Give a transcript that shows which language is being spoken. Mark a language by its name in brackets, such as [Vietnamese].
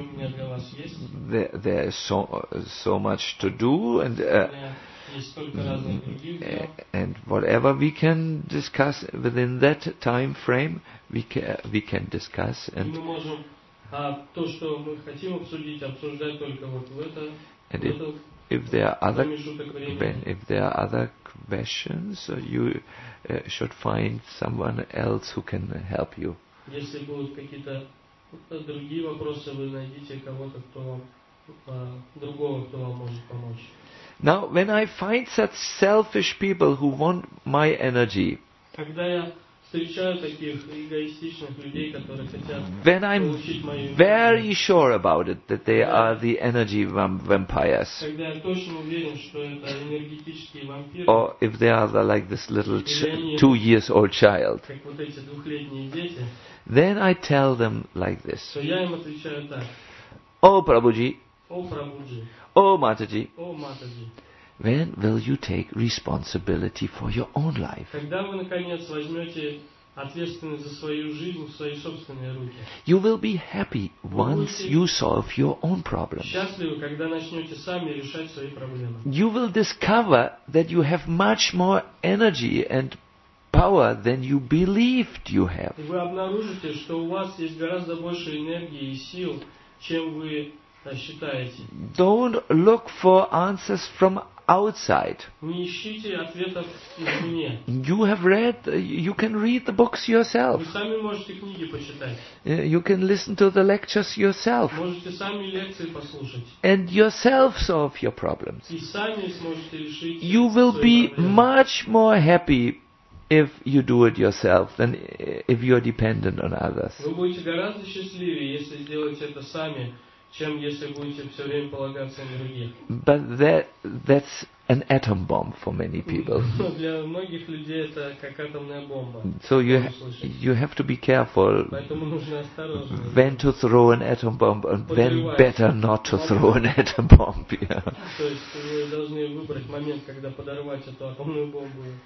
[English] There is so much to do, and whatever we can discuss within that time frame, we can discuss. And [Russian] то, что мы хотим обсудить, обсуждать только вот в это. [English] And if there are other questions, you should find someone else who can help you. [Russian] Если будут какие-то другие вопросы, вы найдите кого-то, кто вам может помочь. [English] Now, when I find such selfish people who want my energy, [Russian] когда я встречаю таких эгоистичных людей, которые хотят, [English] when I'm very sure about it that they are the energy vampires, [Russian] когда я точно уверен, что это энергетические вампиры, [English] or if they are like this little two-year-old child, [Russian] как вот эти двухлетние дети, [English] then I tell them like this. [Russian] То я им отвечаю так. О Прабуджи. О Матаджи. [English] When will you take responsibility for your own life? [Russian] Когда вы наконец возьмете ответственность за свою жизнь в свои собственные руки? [English] You will be happy once you solve your own problems. [Russian] Счастливы, когда начнете сами решать свои проблемы. [English] You will discover that you have much more energy and power than you believed you have. [Russian] Вы обнаружите, что у вас есть гораздо больше энергии и сил, чем вы считаете. [English] Don't look for answers from outside. [Russian] Не ищите ответов извне. [English] You have read, you can read the books yourself. [Russian] Вы сами можете книги почитать. [English] You can listen to the lectures yourself. [Russian] Можете сами лекции послушать. [English] And yourself solve your problems. [Russian] И сами сможете решить. [English] You will [Russian] свои [English] be [Russian] проблемы. [English] Much more happy if you do it yourself than if you are dependent on others. [Russian] Вы будете гораздо счастливее, если сделаете это сами, чем если будете все время полагаться на других. [English] But that's an atom bomb for many people. [Russian] Для многих людей это как атомная бомба. [English] So you have to be careful. [Russian] Поэтому нужно осторожно. [English] When to throw an atom bomb and when better not to throw an atom bomb. [Russian] То есть вы должны выбрать момент, когда подорвать эту атомную бомбу.